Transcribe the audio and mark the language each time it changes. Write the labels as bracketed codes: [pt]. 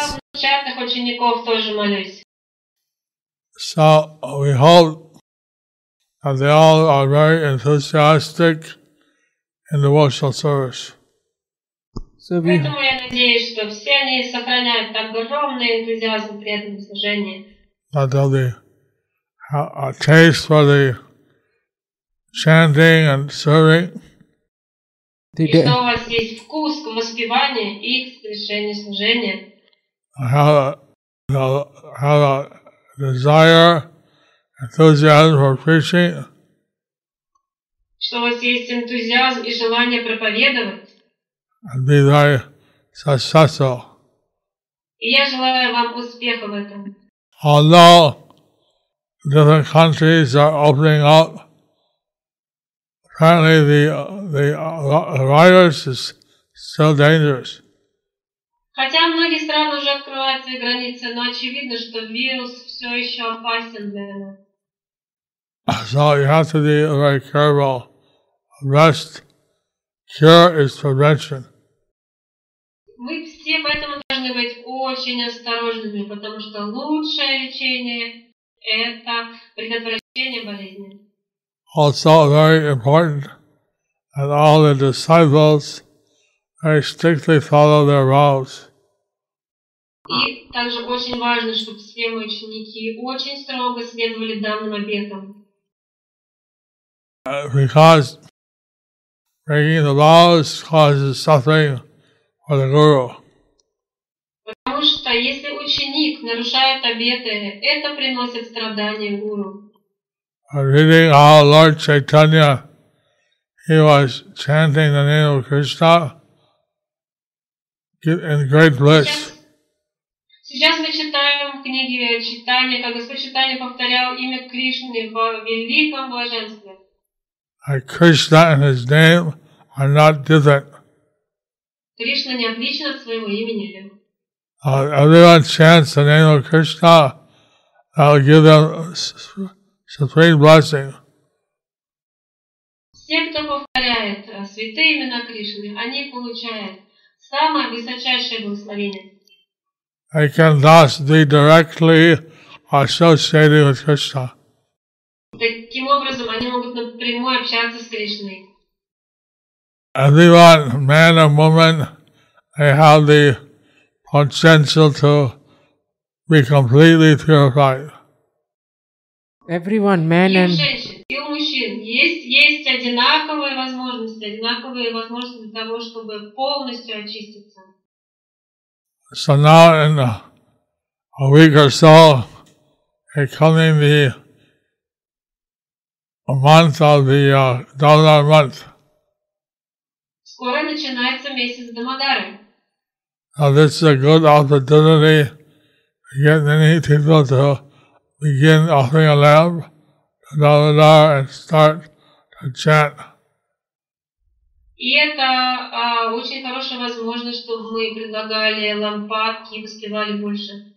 [ru] И за учатных учеников тоже молюсь. [en] So we hope that they all are very enthusiastic in the devotional service. So we, [ru] поэтому я надеюсь, что все они сохраняют огромный энтузиазм при этом служении. [en] That they'll be a taste for the chanting and serving. [ru] И что у вас есть вкус к воспеванию и к совершению служения. [en] Have a desire, enthusiasm for preaching. [ru] Что у вас есть энтузиазм и желание проповедовать. [en] And be very successful. [ru] И я желаю вам успеха в этом. [en] Although different countries are opening up, apparently the virus is still dangerous. [ru] Хотя многие страны уже открывают свои границы, но очевидно, что вирус все еще опасен для нас. [en] So you have to be very careful. Rest, cure is prevention. [ru] Мы все поэтому должны быть очень осторожными, потому что лучшее лечение – это предотвращение болезни. [en] Also very important that all the disciples very strictly follow their vows. [ru] И также очень важно, чтобы все мои ученики очень строго следовали данным обетам. [en] Because breaking the laws causes suffering for the guru. [ru] Потому что если ученик нарушает обеты, это приносит страдания гуру. [en] Reading our Lord Chaitanya, he was chanting the name of Krishna in great bliss. [ru] Сейчас мы читаем в книге Читания, как Господь Читания повторял имя Кришны в великом блаженстве. [en] And Krishna and his name are not different. [ru] Кришна не отличен от своего имени. [en] Everyone chants the name of Krishna, that will give them supreme blessing. [ru] Все, кто повторяет святые имена Кришны, они получают самое высочайшее благословение. [en] They can thus be directly associated with Krishna. [ru] Таким образом, они могут напрямую общаться с Кришной. [en] Everyone, man or woman, they have the potential to be completely purified. Everyone, man and... [ru] И у мужчин есть одинаковые возможности для того, чтобы полностью очиститься. [en] So now in a week or so, coming the month of the Damodar month. [ru] Скоро начинается месяц Дамодары. [en] Now this is a good opportunity to get many people to begin offering a lamp to Damodar and start to chant. [ru] И это очень хорошая возможность, чтобы мы предлагали лампадки и воспевали больше.